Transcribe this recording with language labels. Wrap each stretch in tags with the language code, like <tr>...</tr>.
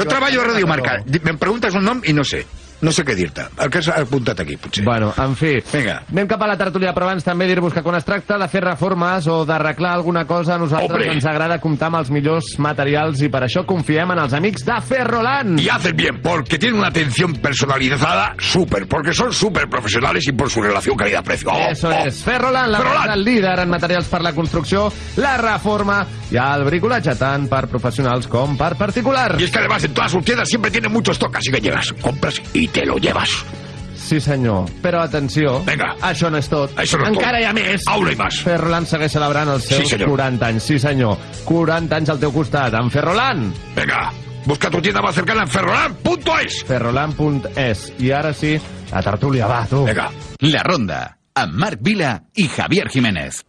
<ca>Jo treballo a Ràdio Marca. Em preguntes un nom i no sé. No sé què dir-te, el que s'ha apuntat aquí, potser. Bueno, en fi, anem cap a la tertúlia, però abans també dir-vos que quan es tracta de fer reformes o d'arreglar alguna cosa, a nosaltres ens agrada comptar amb els millors materials i per això confiem en els amics de Ferrolan.</ca> <es>Y hacen bien, porque tienen una atención personalizada súper, porque son súper profesionales y por su relación calidad-precio. Oh, eso oh. es, Ferrolan, la Ferrolan.</es> <ca>Marca, el líder en materials per la construcció, la reforma i el bricolatge, tant per professionals com per particulars.</ca> <es>Y es que además en todas sus tiendas siempre tienen muchos toques, así que llegas, compras y... Y te lo llevas.</es> <ca>Sí, senyor. Però atenció.</ca> <es>Venga.</es> <ca>Això no és tot. Això no és encara tot. Hi ha més. Aula i más. Ferrolan segueix celebrant els seus 40 anys. Sí, senyor. 40 anys al teu costat, en Ferrolan.</ca> <es>Venga. Busca tu tienda más cercana en ferrolan.es.</es> <ca>Ferrolan.es. I ara sí, la tertúlia va, tu.</ca> <es>Venga.</es> <ca>La Ronda, amb Marc Vila i Javier Jiménez.</ca>